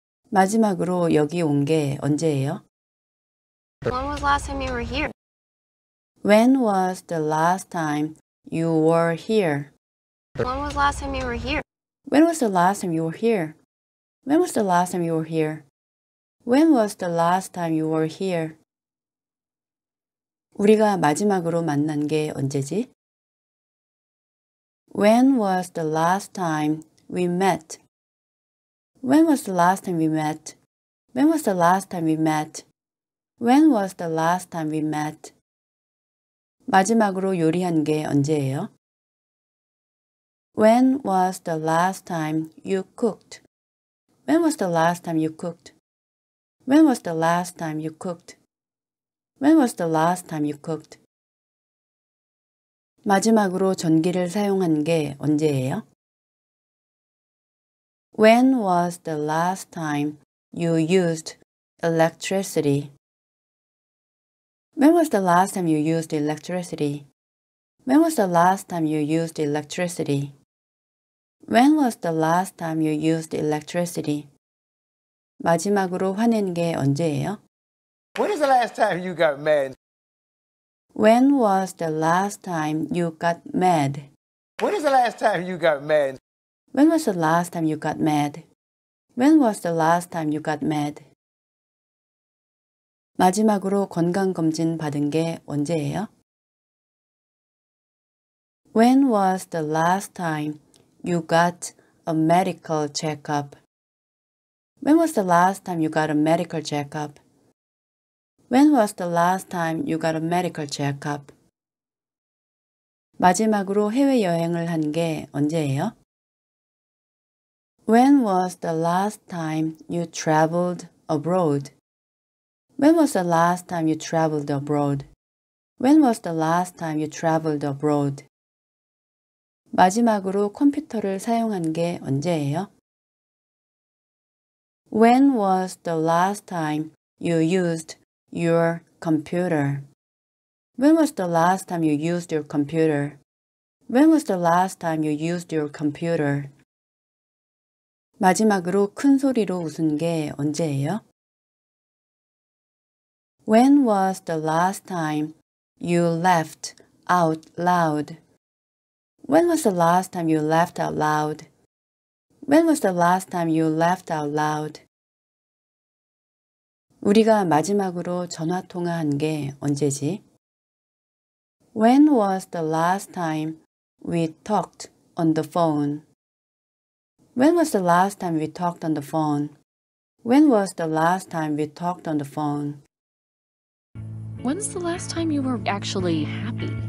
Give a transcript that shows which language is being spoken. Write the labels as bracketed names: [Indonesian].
[Korean] 마지막으로 여기 온 게 언제예요? [English] When was the last time you were here? When was the last time you were here? When was the last time you were here? When was the last time you were here? When was the last time you were here? When was the last time you were here? [Korean] 우리가 마지막으로 만난 게 언제지? [English] When was the last time we met? When was the last time we met? When was the last time we met? When was the last time we met? [Korean] 마지막으로 요리한 게 언제예요? [English] When was the last time you cooked? When was the last time you cooked? When was the last time you cooked? When was the last time you cooked? [Korean] 마지막으로 전기를 사용한 게 언제예요? [English] When was the last time you used electricity? When was the last time you used electricity? When was the last time you used electricity? When was the last time you used electricity? [Korean] 마지막으로 화낸 게 언제예요? [English] When was the last time you got mad? When was the last time you got mad? When was the last time you got mad? When was the last time you got mad? When was the last time you got mad? [Korean] 마지막으로 건강검진 받은 게 언제예요? [English] When was the last time you got a medical checkup? When was the last time you got a medical checkup? When was the last time you got a medical checkup? [Korean] 마지막으로 해외여행을 한 게 언제예요? [English] When was the last time you traveled abroad? When was the last time you traveled abroad? When was the last time you traveled abroad? [Korean] 마지막으로 컴퓨터를 사용한 게 언제예요? [English] When was the last time you used your computer? When was the last time you used your computer? When was the last time you used your computer? [Korean] 마지막으로 큰 소리로 웃은 게 언제예요? [English] When was the last time you laughed out loud? When was the last time you laughed out loud? When was the last time you laughed out loud? [Korean] 우리가 마지막으로 전화 통화한 게 언제지? [English] When was the last time we talked on the phone? When was the last time we talked on the phone? When was the last time we talked on the phone? When's the last time you were actually happy?